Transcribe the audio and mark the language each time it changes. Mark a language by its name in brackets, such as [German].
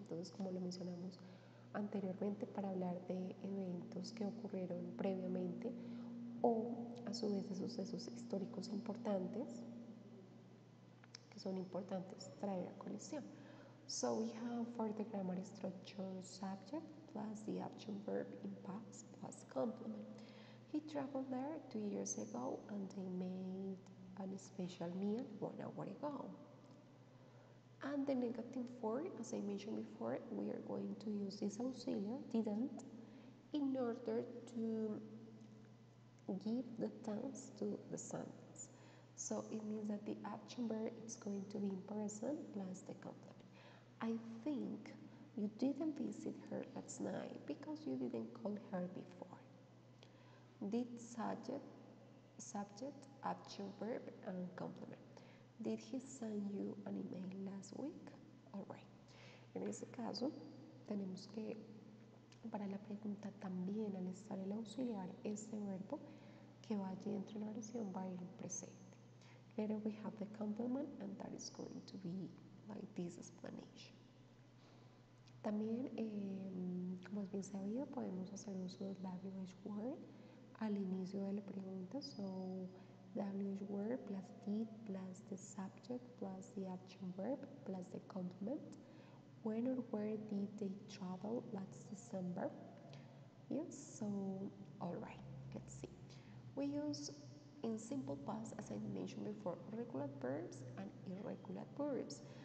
[Spanish] Entonces, como lo mencionamos anteriormente, para hablar de eventos que ocurrieron previamente o a su vez de sucesos históricos importantes, que son importantes traer a colisión. [English] So we have for the grammar structure subject plus the action verb in past plus complement. He traveled there 2 years ago and they made a special meal 1 hour ago. And the negative form, as I mentioned before, we are going to use this auxiliar, didn't, in order to give the tense to the sentence. So it means that the action verb is going to be in present plus the complement. I think you didn't visit her last night because you didn't call her before. Did subject, action verb, and complement. Did he send you an email last week? All right. [Spanish] En ese caso, tenemos que, para la pregunta también, al estar el auxiliar, ese verbo que va allí dentro de la oración va a ir presente. [English] Later we have the complement, and that is going to be like this explanation. [Spanish] También, como es bien sabido, podemos hacer uso del WH word al inicio de la pregunta. [English] So, WH word plus did plus the subject plus the action verb plus the complement. When or where did they travel last December? Yes, so, all right, let's see. We use in simple past, as I mentioned before, regular verbs and irregular verbs.